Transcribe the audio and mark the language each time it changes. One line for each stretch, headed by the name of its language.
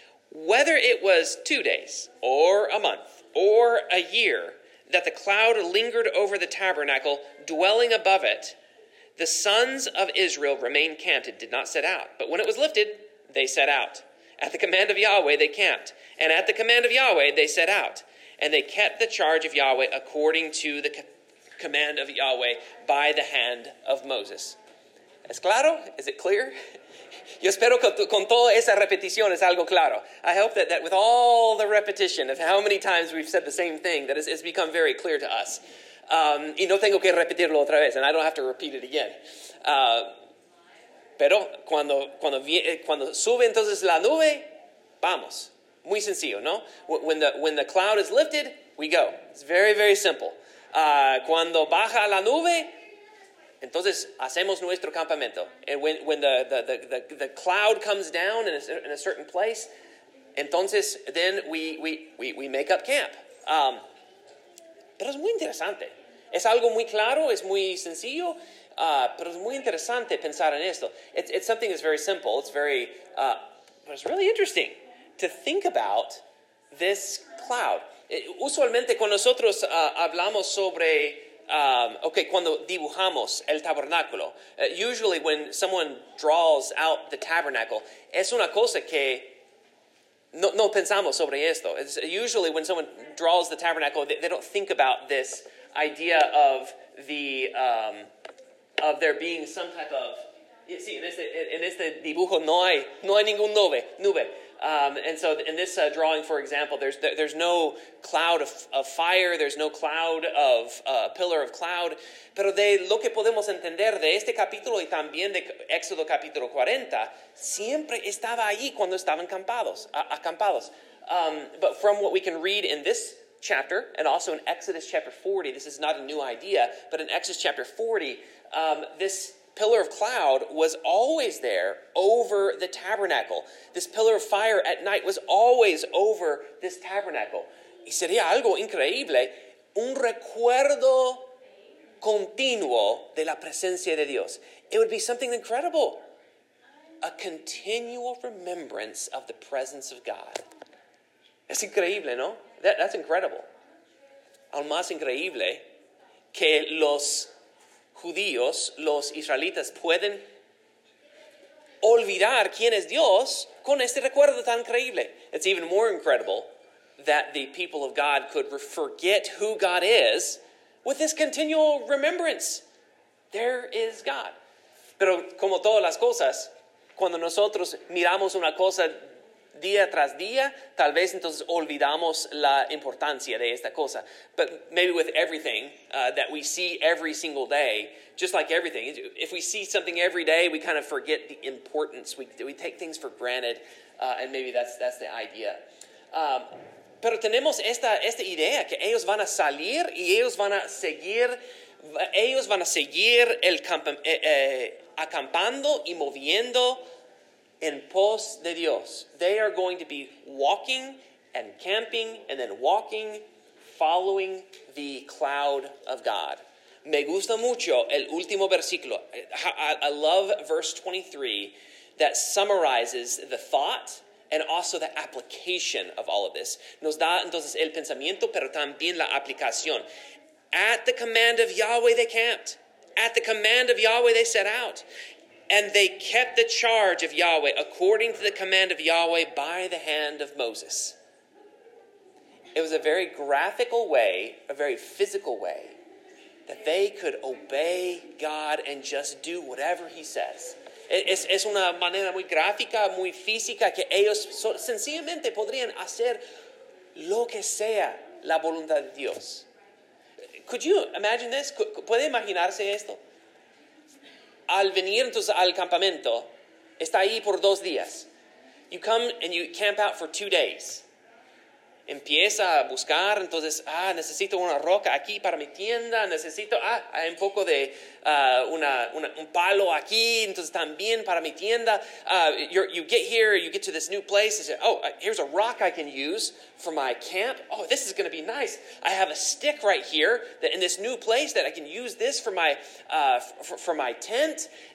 English: Whether it was 2 days, or a month, or a year, that the cloud lingered over the tabernacle, dwelling above it, the sons of Israel remained camped and did not set out. But when it was lifted, they set out. At the command of Yahweh, they camped. And at the command of Yahweh, they set out. And they kept the charge of Yahweh according to the command of Yahweh by the hand of Moses.
Spanish: ¿Es claro?
English: Is it clear?
Spanish: Yo espero que con toda esa repetición es algo claro.
English: I hope that with all the repetition of how many times we've said the same thing, that it's become very clear to us.
Spanish: Y no tengo que repetirlo otra vez,
English: and I don't have to repeat it again.
Spanish: Pero cuando sube entonces la nube, vamos. Muy sencillo, ¿no?
English: When the cloud is lifted, we go. It's very, very simple.
Spanish: Cuando baja la nube, entonces hacemos nuestro campamento.
English: And when the cloud comes down in a certain place, entonces then we make up camp.
Spanish: Pero es muy interesante. Es algo muy claro, es muy sencillo, pero es muy interesante pensar en esto.
English: It's something that's very simple, it's very, but it's really interesting to think about this cloud.
Spanish: Usualmente cuando nosotros hablamos sobre, cuando dibujamos el tabernáculo,
English: usually when someone draws out the tabernacle,
Spanish: es una cosa que no pensamos sobre esto.
English: It's usually when someone draws the tabernacle, they don't think about this idea of the of there being some type of, you see, in
Spanish: este dibujo no hay ningún nube.
English: And so in this drawing, for example, there's no cloud of fire, there's no cloud of pillar of cloud.
Spanish: Pero de lo que podemos entender de este capítulo y también de Éxodo capítulo 40, siempre estaba ahí cuando estaban acampados.
English: But from what we can read in this chapter, and also in Exodus chapter 40, this is not a new idea, but in Exodus chapter 40, this pillar of cloud was always there over the tabernacle. This pillar of fire at night was always over this tabernacle.
Spanish: Y sería algo increíble, un recuerdo continuo de la presencia de Dios.
English: It would be something incredible, a continual remembrance of the presence of God.
Spanish: Es increíble, ¿no?
English: That's incredible.
Spanish: Aún más increíble que los judíos, los israelitas, pueden olvidar quién es Dios con este recuerdo tan increíble.
English: It's even more incredible that the people of God could forget who God is with this continual remembrance. There is God.
Spanish: Pero como todas las cosas, cuando nosotros miramos una cosa día tras día, tal vez entonces olvidamos la importancia de esta cosa.
English: But maybe with everything that we see every single day, just like everything, if we see something every day, we kind of forget the importance. We take things for granted, and maybe that's the idea.
Spanish: Pero tenemos esta idea que ellos van a salir y ellos van a seguir el acampando y moviendo en pos de Dios.
English: They are going to be walking and camping and then walking, following the cloud of God.
Spanish: Me gusta mucho el último versículo.
English: I love verse 23 that summarizes the thought and also the application of all of this.
Spanish: Nos da entonces el pensamiento, pero también la aplicación.
English: At the command of Yahweh, they camped. At the command of Yahweh, they set out. And they kept the charge of Yahweh according to the command of Yahweh by the hand of Moses. It was a very graphical way, a very physical way, that they could obey God and just do whatever he says.
Spanish: Es una manera muy gráfica, muy física, que ellos sencillamente podrían hacer lo que sea la voluntad de Dios.
English: Could you imagine this?
Spanish: ¿Puede imaginarse esto? Al venir entonces al campamento, está ahí por 2 días.
English: You come and you camp out for 2 days.
Spanish: Empieza a buscar, entonces, necesito una roca aquí para mi tienda, necesito, hay un poco de un palo aquí, entonces también para mi tienda.
English: You get here, you get to this new place, and say, here's a rock I can use for my camp. Oh, this is going to be nice. I have a stick right here that in this new place that I can use this for my for my tent.